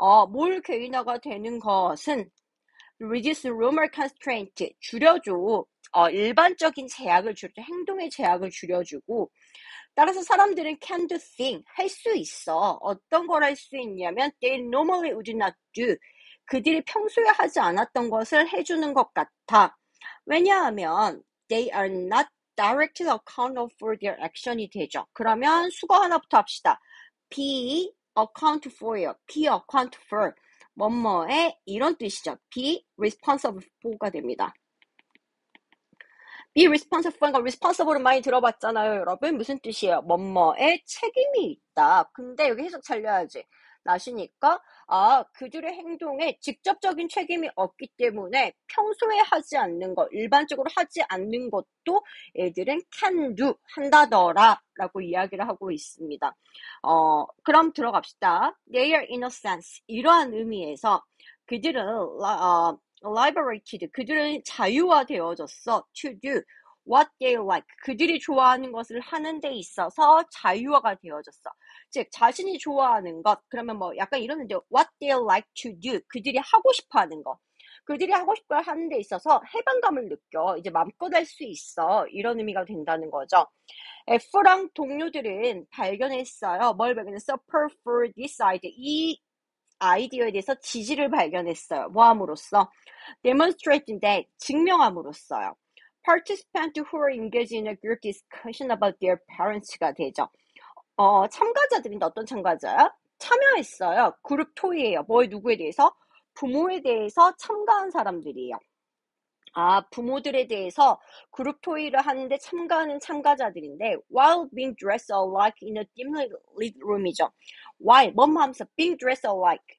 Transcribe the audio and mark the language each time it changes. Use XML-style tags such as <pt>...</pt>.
<ko>뭘 개인화가 되는 것은</ko> <en>reduce rumor constraint.</en> <ko>줄여줘. 일반적인 제약을 줄여줘. 행동의 제약을 줄여주고. 따라서 사람들은</ko> <en>can do thing.</en> <ko>할수 있어. 어떤 걸할수 있냐면,</ko> <en>they normally would not do.</en> <ko>그들이 평소에 하지 않았던 것을 해주는 것 같아. 왜냐하면,</ko> <en>they are not directly accountable for their action이 되죠.</en> <ko>그러면 수거 하나부터 합시다.</ko> <en>be account for요. be account for.</en> <ko>뭐뭐에 이런 뜻이죠.</ko> <en>be responsible for가 됩니다.</en> <ko>be responsible for가 responsible을 많이 들어봤잖아요, 여러분. 무슨 뜻이에요? 뭐뭐에 책임이 있다. 근데 여기 해석 잘려야지. 나시니까, 아, 그들의 행동에 직접적인 책임이 없기 때문에 평소에 하지 않는 것, 일반적으로 하지 않는 것도 애들은</ko> <en>can do,</en> <ko>한다더라, 라고 이야기를 하고 있습니다. 그럼 들어갑시다.</ko> <en>They are innocents.</en> <ko>이러한 의미에서 그들은, liberated. 그들은 자유화되어졌어.</ko> <en>To do what they like.</en> <ko>그들이 좋아하는 것을 하는 데 있어서 자유화가 되어졌어. 즉, 자신이 좋아하는 것. 그러면 뭐 약간 이러는데,</ko> <en>what they like to do.</en> <ko>그들이 하고 싶어 하는 것. 그들이 하고 싶어 하는 데 있어서 해방감을 느껴. 이제 마음껏 할수 있어. 이런 의미가 된다는 거죠. F랑 동료들은 발견했어요. 뭘 발견했어?</ko> <en>Support for this idea.</en> <ko>이 아이디어에 대해서 지지를 발견했어요. 뭐 함으로써?</ko> <en>Demonstrating that,</en> <ko>증명함으로써요.</ko> <en>Participants who are engaged in a group discussion about their parents가 되죠.</en> <ko>참가자들인데 어떤 참가자야? 참여했어요. 그룹 토의예요. 뭐에 누구에 대해서? 부모에 대해서 참가한 사람들이에요. 아, 부모들에 대해서 그룹 토의를 하는데 참가하는 참가자들인데,</ko> <en>while being dressed alike in a dimly lit room</en> <ko>이죠.</ko> <en>While,</en> <ko>뭐뭐 하면서</ko> <en>being dressed alike.</en>